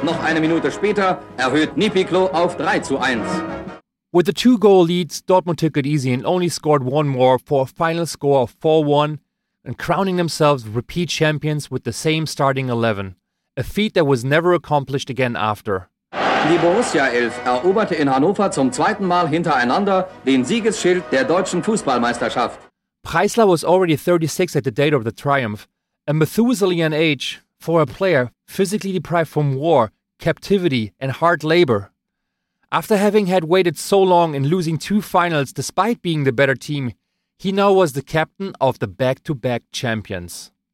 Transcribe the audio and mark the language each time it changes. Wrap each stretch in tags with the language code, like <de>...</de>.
<de>Noch eine Minute später erhöht Niepiklo auf 3-1.</de> <en>With the two-goal leads, Dortmund took it easy and only scored one more for a final score of 4-1 and crowning themselves repeat champions with the same starting 11. A feat that was never accomplished again after.</en> <de>Die Borussia Elf eroberte in Hannover zum zweiten Mal hintereinander den Siegesschild der deutschen Fußballmeisterschaft.</de> <en>Preisler was already 36 at the date of the triumph. A Methuselian age for a player physically deprived from war, captivity and hard labor. After having had waited so long and losing two finals despite being the better team, he now was the captain of the back-to-back champions.</en>